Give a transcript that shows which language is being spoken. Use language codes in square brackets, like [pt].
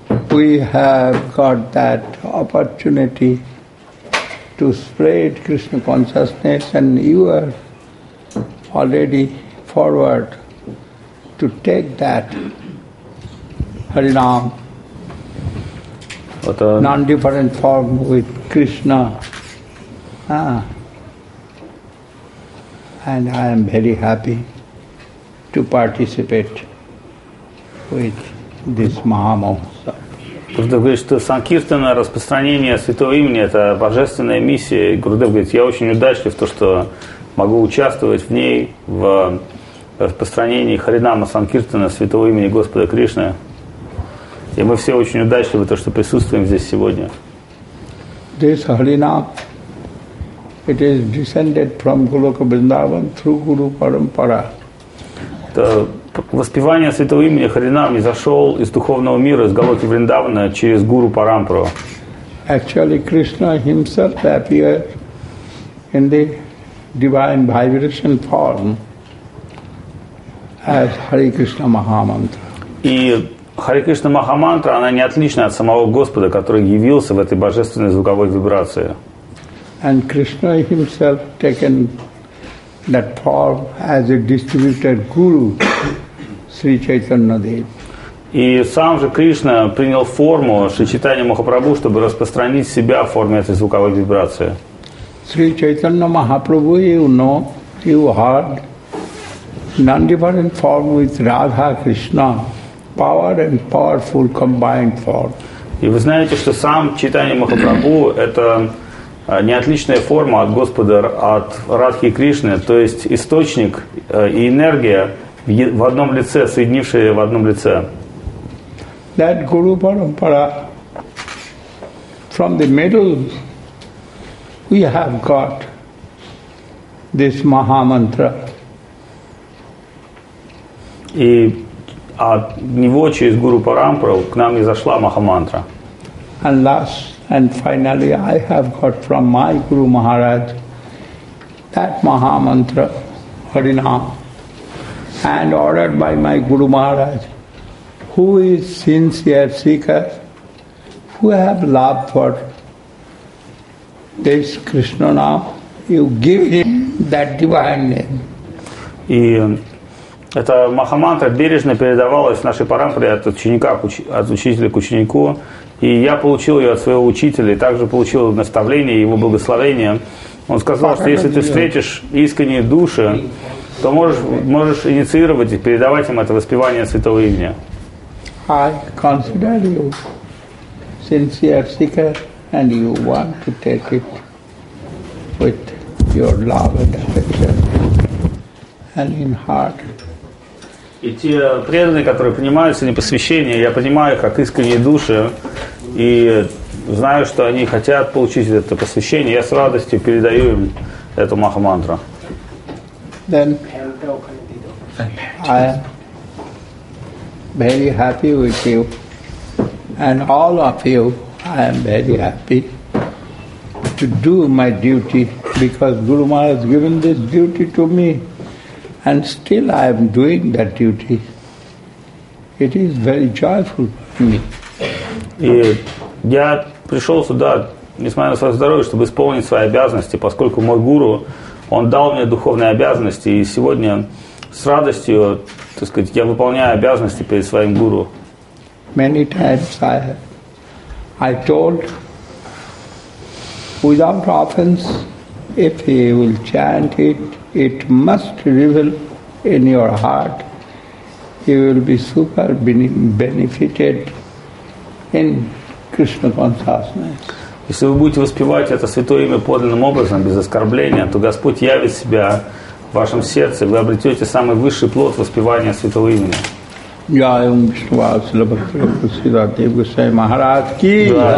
[en] We have got that opportunity to spread Krishna consciousness and you are already forward to take that Harinam, non-different form with Krishna. And I am very happy to participate with this Mahamahotsav. [ru] Гурудев говорит, что санкиртана, распространение святого имени, это божественная миссия. Гурудев говорит, я очень удачлив, то, что могу участвовать в ней, в распространении Харинама санкиртана, святого имени Господа Кришны. И мы все очень удачливы, то, что присутствуем здесь сегодня. [en] This Harinam, it is descended from Goloka Vrindavan through Guru Parampara. [ru] Это воспевание святого имени Харинам изошел из духовного мира, из Голоки Вриндавана через Гуру Парампару. [en] Actually, Krishna himself appeared in the divine vibration form as Hare Krishna Mahamantra. [ru] И Харе Кришна Махамантра, она не отлична от самого Господа, который явился в этой божественной звуковой вибрации. [en] And Krishna himself taken that form as a distributed guru, Sri Chaitanya Dev. [ru] И сам же Кришна принял форму Шри Чайтанья Махапрабху, чтобы распространить себя в форме этой звуковой вибрации. [en] Sri Chaitanya Mahaprabhu, you know, you heard non-different form with Radha Krishna. Power and powerful combined form. [ru] И вы знаете, что сам Чайтанья Махапрабху это неотличная форма от Господа, от Радхи и Кришны, то есть источник и энергия в одном лице, соединившие в одном лице. [en] That Guru Parampara, from the middle, we have got this Mahamantra. [ru] И от него через Гуру Парампару к нам и зашла Махамантра. [en] And last and finally, I have got from my Guru Maharaj that Maha Mantra, Harinam, and ordered by my Guru Maharaj, who is sincere seeker, who have love for this Krishna Nam, you give him that divine name. [ru] Эта Махамантра бережно передавалась в нашей парампаре от ученика, от учителя к ученику. И я получил ее от своего учителя, и также получил наставление, его благословение. Он сказал, что если ты встретишь искренние души, то можешь инициировать и передавать им это воспевание святого имени. [en] I consider you sincere seeker, and you want to take it with your love and affection and in heart. [ru] И те преданные, которые принимаются не посвящение, я понимаю их как искренние души и знаю, что они хотят получить это посвящение. Я с радостью передаю им эту Махамантру. [en] Then I am very happy with you and all of you. I am very happy to do my duty because Guru Maharaj has given this duty to me. And still I am doing that duty. It is very joyful for me. [ru] И я пришел сюда, несмотря на свое здоровье, чтобы исполнить свои обязанности, поскольку мой гуру, он дал мне духовные обязанности, и сегодня с радостью, так сказать, я выполняю обязанности перед своим гуру. [en] Many times I told, without offense, if he will chant it, it must reveal in your heart. You will be super benefited in Krishna consciousness. [ru] Если вы будете воспевать это святое имя подлинным образом, без оскорбления, то Господь явит себя в вашем сердце. Вы обретете самый высший плод воспевания святого имени. Я ум Вишнувас, Слабхатри, Сидар, Дев Гусай, Махарад, Ки!